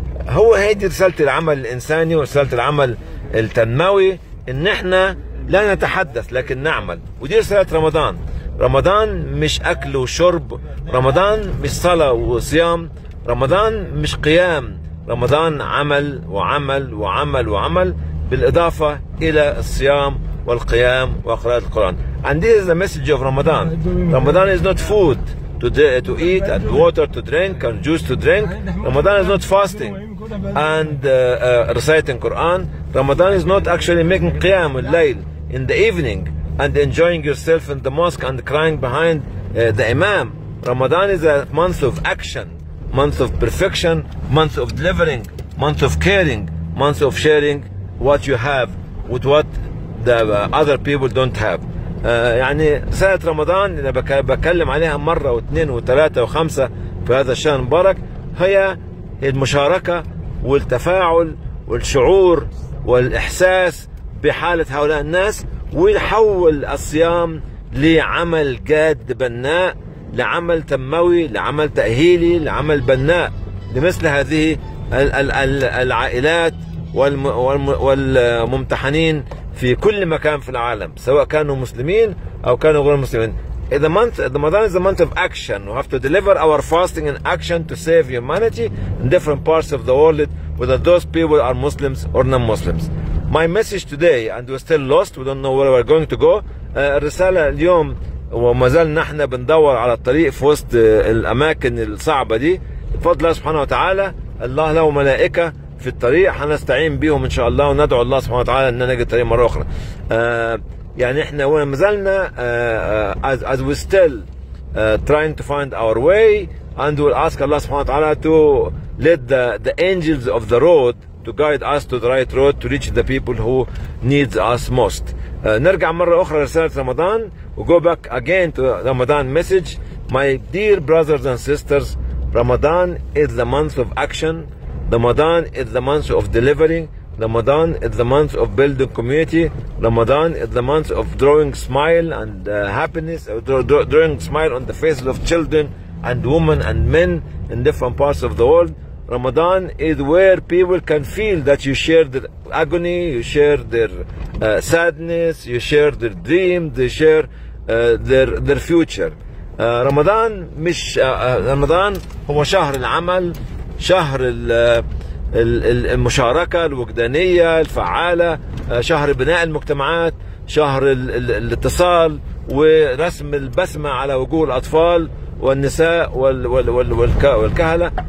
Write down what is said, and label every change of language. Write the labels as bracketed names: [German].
[Arabic] هو هيدي رسالة العمل الإنساني ورسالة العمل التنموي، إن إحنا لا نتحدث لكن نعمل. ودي رسالة رمضان. رمضان مش أكل وشرب، رمضان مش صلاة وصيام، رمضان مش قيام، رمضان عمل وعمل وعمل وعمل، بالإضافة إلى الصيام والقيام وقراءة القرآن. [English] And this is the message of Ramadan. Ramadan is not food to eat and water to drink and juice to drink. Ramadan is not fasting and reciting Quran. Ramadan is not actually making qiyam al-layl in the evening and enjoying yourself in the mosque and crying behind the imam. Ramadan is a month of action, month of perfection, month of delivering, month of caring, month of sharing what you have with what the other people don't have. [Arabic] يعني رسالة رمضان اللي بكلم عليها مرة واثنين وثلاثة وخمسة في هذا الشهر المبارك، هي المشاركة والتفاعل والشعور والإحساس بحالة هؤلاء الناس، ويحول الصيام لعمل جاد بناء، لعمل تموي، لعمل تأهيلي، لعمل بناء لمثل هذه العائلات والممتحنين في كل مكان في العالم، سواء كانوا مسلمين أو كانوا غير مسلمين. [English] Ramadan is a month of action. We have to deliver our fasting in action to save humanity in different parts of the world, whether those people are Muslims or non-Muslims. My message today, and we're still lost, we don't know where we're going to go. [Arabic] الرسالة اليوم وما زلنا احنا بندور على الطريق في وسط الاماكن الصعبه دي. بفضل الله سبحانه وتعالى، الله له ملائكه في الطريق هنستعين بيهم ان شاء الله، وندعو الله سبحانه وتعالى ان نجد الطريق مره اخرى. يعني احنا وما زلنا [English] as we still trying to find our way, and we'll ask Allah [Arabic] سبحانه وتعالى [English] to let the angels of the road to guide us to the right road to reach the people who needs us most. [Arabic] نرجع مرة أخرى لرسالة رمضان. [English] We'll go back again to Ramadan message. My dear brothers and sisters, Ramadan is the month of action. Ramadan is the month of delivering. Ramadan is the month of building community. Ramadan is the month of drawing smile and happiness, drawing smile on the faces of children and women and men in different parts of the world. Ramadan is where people can feel that you share their agony, you share their sadness, you share their dreams, they share their future. [Arabic] Ramadan مش رمضان هو شهر العمل، شهر المشاركة الوجدانية الفعالة، شهر بناء المجتمعات، شهر الاتصال ورسم البسمة على وجوه الأطفال والنساء والكهلة.